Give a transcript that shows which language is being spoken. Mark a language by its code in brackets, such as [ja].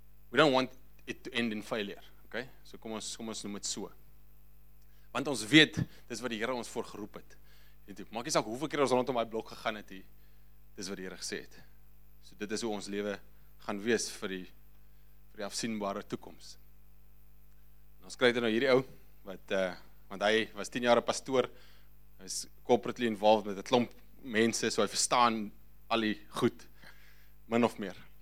[en] We don't want it to end in failure. [af] Okay? So kom ons noem dit so. Want ons weet, dis wat die Here ons voor geroep het. Maak nie saak hoeveel keer ons rondom daai blok gegaan het, dis wat die Here gesê het. So dit is hoe ons lewe gaan wees vir die afsienbare toekoms. Ons kry dit nou hierdie ou, want hy was 10 jaar 'n pastoor, is [en] corporately involved [af] met 'n klomp mense, so hy verstaan al die goed, min of meer.